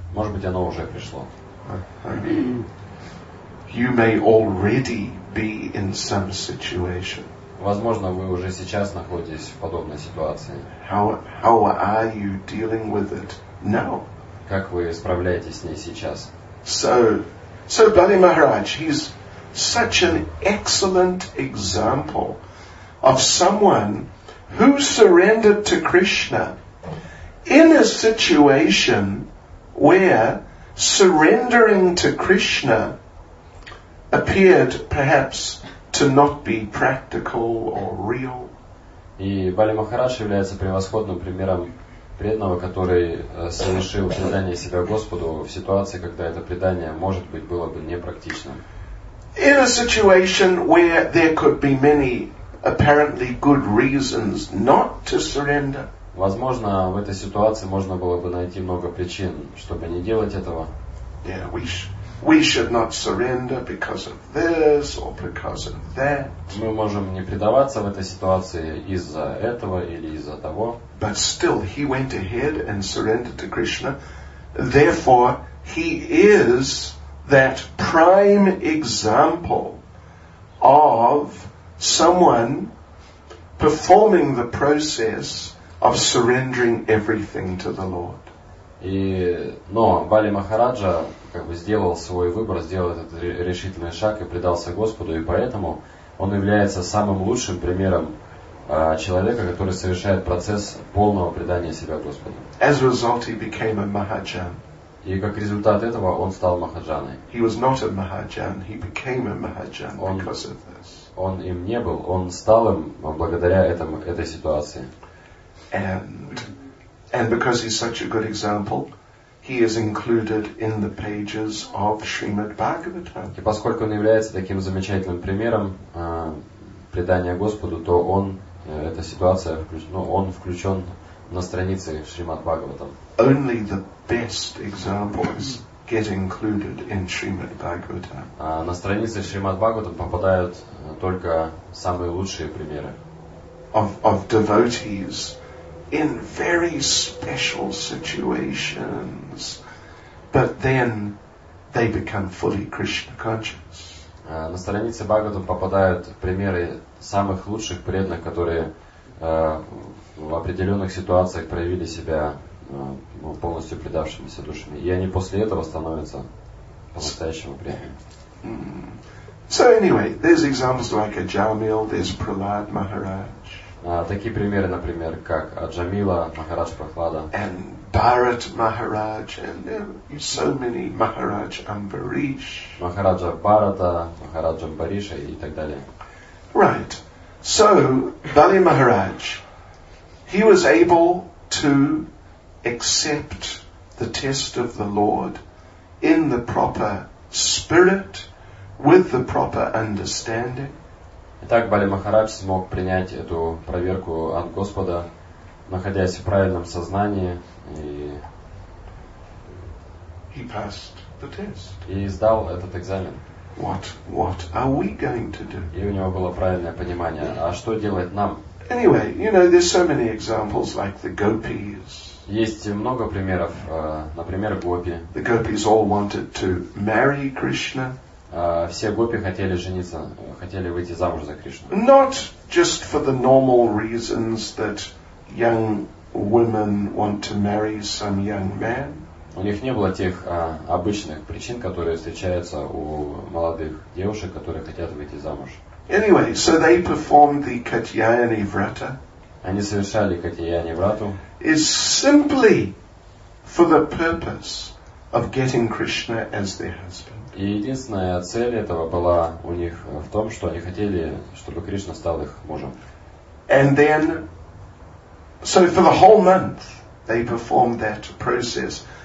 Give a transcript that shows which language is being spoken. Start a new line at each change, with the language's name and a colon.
Russian: Может быть, оно уже пришло.
English: You may already be in some situation.
Russian: Возможно, вы уже сейчас находитесь в подобной ситуации.
English: How are you dealing with it now?
Russian: Как вы справляетесь с ней сейчас?
English: So Bali Maharaj, he's such an excellent example of someone who surrendered to Krishna in a situation where surrendering to Krishna appeared perhaps to not be practical or real.
Russian: И Бали Махарадж является превосходным примером преданного, который совершил предание себя Господу в ситуации, когда это предание, может быть, было бы непрактичным.
English: In a situation where there could be many apparently good reasons not to surrender.
Russian: Возможно, в этой ситуации можно было бы найти много причин, чтобы не делать этого.
English: Yeah, we should not surrender because of this or because of that.
Russian: Мы можем не предаваться в этой ситуации из-за этого или из-за того.
English: But still, he went ahead and surrendered to Krishna. Therefore, he is that prime example of someone performing the process of surrendering everything to the Lord.
Russian: И, но Бали Махараджа как бы сделал свой выбор, сделал этот решительный шаг и предался Господу, и поэтому он является самым лучшим примером человека, который совершает процесс полного предания себя Господу.
English: As a result, he became a Mahajan.
Russian: И как результат этого он стал Махаджаной.
English: He was not a Mahajan, he became a Mahajan because of this.
Russian: Он им не был, он стал им благодаря этой ситуации.
English: And because he's such a good example, he is included in the pages of Srimad Bhagavatam.
Russian: И поскольку он является таким замечательным примером предания Господу, то он эта ситуация, ну, он включен на странице Шримад Бхагаватам.
English: Only the best examples get included in Shrimad Bhagavatam.
Russian: На странице Шримад Бхагаватам попадают только самые лучшие примеры.
English: Of devotees in very special situations, but then they become fully Krishna conscious.
Russian: На странице Бхагаватам попадают примеры самых лучших преданных, которые в определенных ситуациях проявили себя полностью предавшимися душами. И они после этого становятся по-настоящему преданными.
English: So anyway, there's examples like Ajamil, there's Prahlad Maharaj.
Russian: Такие примеры, например, как Аджамила, Махарадж Прохлада.
English: And Bharat Maharaj, and there are so many Maharaj Ambarish.
Russian: Махараджа Бхарата, Махараджа Амбариша и так далее.
English: Right. So, Бали Махарадж, he was able to accept the test of the Lord in the proper spirit, with the proper understanding.
Russian: Итак, Бали Махарадж смог принять эту проверку от Господа, находясь в правильном сознании, и
English: he passed the test.
Russian: И сдал этот экзамен.
English: What are we going to do?
Russian: И у него было правильное понимание. А что делать нам?
English: Anyway, you know, there's so many examples like the gopis.
Russian: Есть много примеров, например, гопи.
English: The gopis all wanted to marry Krishna.
Russian: Все гопи хотели жениться, хотели выйти замуж за Кришну.
English: Not just for the normal reasons that young women want to marry some young man.
Russian: У них не было тех обычных причин, которые встречаются у молодых девушек, которые хотят выйти замуж.
English: Anyway, so they performed the Катьяяни Врата.
Russian: Они совершали Катьяяни Врату.
English: Is simply for the purpose of getting Krishna as their husband.
Russian: И единственная цель этого была у них в том, что они хотели, чтобы Кришна стал их мужем.
English: And then, so for the whole month, they performed that process.